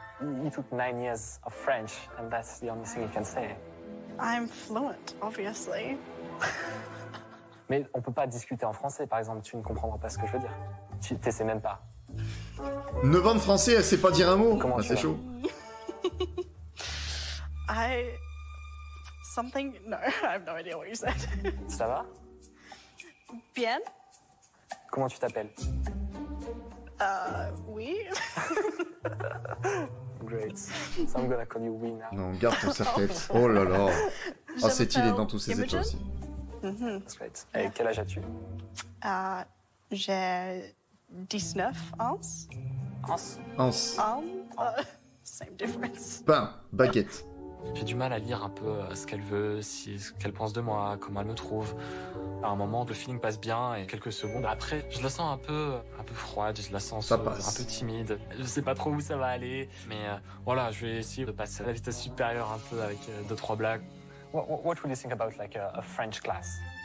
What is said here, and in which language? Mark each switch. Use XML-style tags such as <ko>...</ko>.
<en>You took 9 years of French, and that's the only thing you can say. I'm fluent, obviously.</en> <fr>Mais on peut pas discuter en français, par exemple. Tu ne comprendras pas ce que je veux dire. Tu t'essaies même pas. 9 ans de français, elle sait pas dire un mot. Comment bah, c'est chaud.</fr> <en>I... Something... No, I have no idea what you said.</en> <fr>Ça va? Bien. Comment tu t'appelles? Oui.</fr> <en>Great. So I'm gonna call you</en> <fr>Wina. Non, garde ton cercle. Oh là là. Ah, oh, c'est-il est dans tous ses états aussi.</fr> <en>That's great.</en> <fr>Et yeah. Quel âge as-tu? J'ai 19 ans. Ans.</fr> <en>Same difference.</en> <fr>Pain, baguette. J'ai du mal à lire un peu ce qu'elle veut, si, ce qu'elle pense de moi, comment elle me trouve. À un moment, le feeling passe bien et quelques secondes après, je la sens un peu froide, je la sens un peu timide. Je sais pas trop où ça va aller, mais voilà, je vais essayer de passer à la vitesse supérieure un peu avec 2-3 blagues.</fr> <en>What would you think about like a French class?</en>